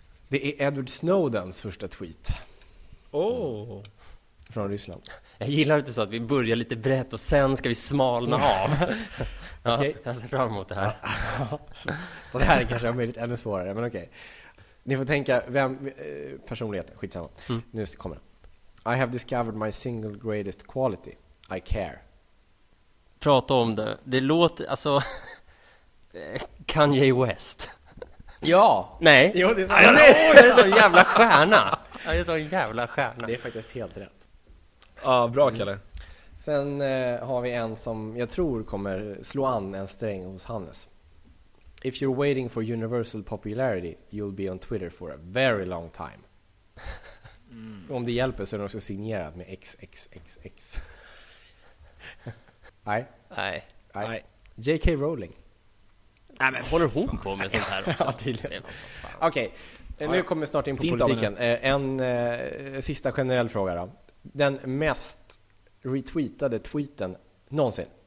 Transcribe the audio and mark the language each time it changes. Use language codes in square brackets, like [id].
[sv] Det är Edward Snowdens första tweet. Åh! Oh. Från Ryssland. Jag gillar inte så att vi börjar lite brett och sen ska vi smalna av. Okej. Okay. Ja, jag ser fram emot det här. Det här kanske har blivit ännu svårare, men okej. Okay. Ni får tänka, vem personligheten, skitsamma. Mm. Nu kommer det. [en] I have discovered my single greatest quality. I care. [sv] Prata om det. Det låter, alltså... Kanye West. Ja! Nej. Jo, det är så. Jag är en sån jävla stjärna. Jag är en sån jävla stjärna. Det är faktiskt helt rätt. Ja, bra, Kalle. Sen har vi en som jag tror kommer slå an en sträng hos Hannes. [en] If you're waiting for universal popularity, you'll be on Twitter for a very long time. [sv] Mm. Om det hjälper så är den också signerad med XXXX. Nej. Nej. Nej. J.K. Rowling. Nej, men håller hon på med sånt här också? Ja, tydligen. Okej, okay. Nu kommer vi snart in på fint politiken. En sista generell fråga då. Den mest retweetade tweeten någonsin.